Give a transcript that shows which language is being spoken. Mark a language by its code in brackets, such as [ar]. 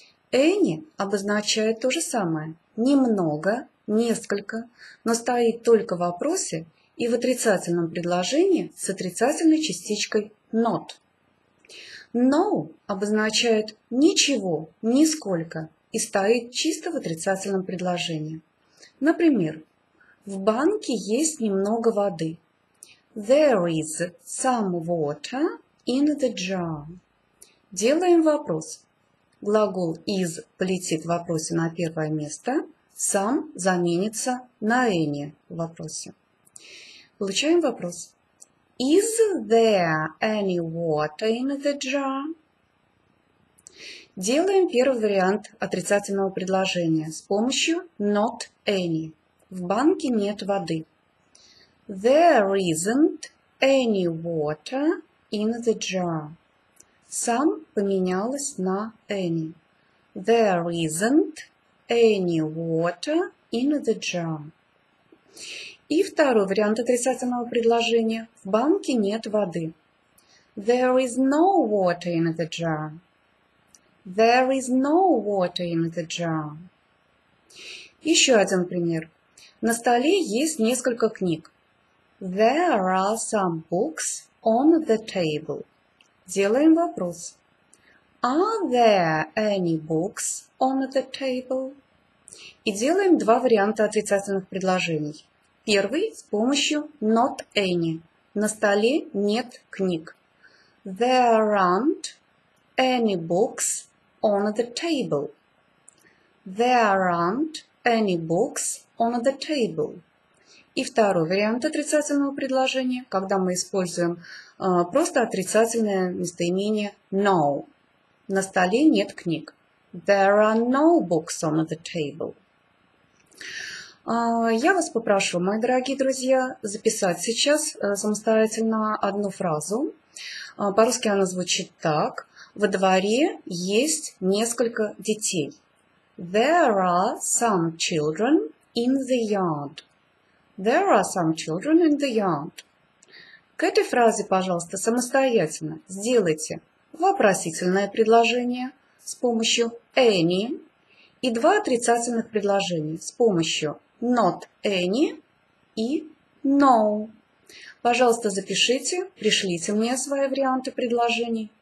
[ru] Any обозначает то же самое – немного, несколько, но стоит только в вопросе и в отрицательном предложении с отрицательной частичкой not. No обозначает ничего, нисколько и стоит чисто в отрицательном предложении. Например, в банке есть немного воды. [en] There is some water in the jar. [ru] Делаем вопрос. Глагол is полетит в вопросе на первое место. Some заменится на any в вопросе. Получаем вопрос. [en] Is there any water in the jar? [ru] Делаем первый вариант отрицательного предложения с помощью not any. В банке нет воды. [en] There isn't any water in the jar. [ru] Some поменялось на any. [en] There isn't any water in the jar. [ru] И второй вариант отрицательного предложения. В банке нет воды. [en] There is no water in the jar. There is no water in the jar. [ru] Еще один пример. На столе есть несколько книг. [en] There are some books on the table. [ru] Делаем вопрос. [en] Are there any books on the table? [ru] И делаем два варианта отрицательных предложений. Первый с помощью not any. На столе нет книг. [en] There aren't any books on the table. There aren't any books on the table. [ru] И второй вариант отрицательного предложения, когда мы используем просто отрицательное местоимение no. На столе нет книг. [en] There are no books on the table. [ru] Я вас попрошу, мои дорогие друзья, записать сейчас самостоятельно одну фразу. По-русски она звучит так. Во дворе есть несколько детей. [en] There are some children in the yard. There are some children in the yard. [ru] К этой фразе, пожалуйста, самостоятельно сделайте вопросительное предложение с помощью any и два отрицательных предложения с помощью not any и no. Пожалуйста, запишите, пришлите мне свои варианты предложений.